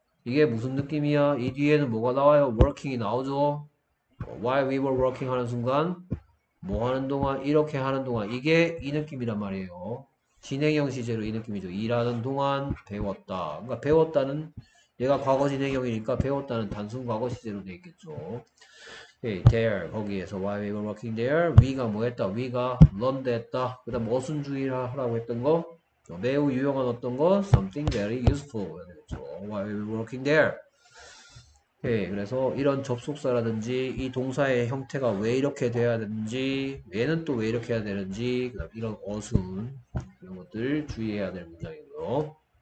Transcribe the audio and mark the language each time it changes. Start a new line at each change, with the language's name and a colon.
Korean: 이게 무슨 느낌이야? 이 뒤에는 뭐가 나와요? working이 나오죠.
English: while we were working
Korean: 하는 순간 뭐 하는 동안 이렇게 하는 동안 이게 이 느낌이란 말이에요. 진행형 시제로 이 느낌이죠. 일하는 동안 배웠다. 그러니까 배웠다는 얘가 과거 진행형이니까 배웠다는 단순 과거 시제로 돼 있겠죠.
English: Hey, there,
Korean: 거기에서
English: while we were working there, we가
Korean: 뭐 했다? we가 learned 했다. 그다음 어순주의라 하라고 했던 거. 매우 유용한 어떤 것,
English: something very useful. While we were working there.
Korean: 오케이, 그래서 이런 접속사라든지, 이 동사의 형태가 왜 이렇게 돼야 되는지, 얘는 또왜 이렇게 해야 되는지, 그다음 이런 어순, 이런 것들 주의해야 될 문장이고요.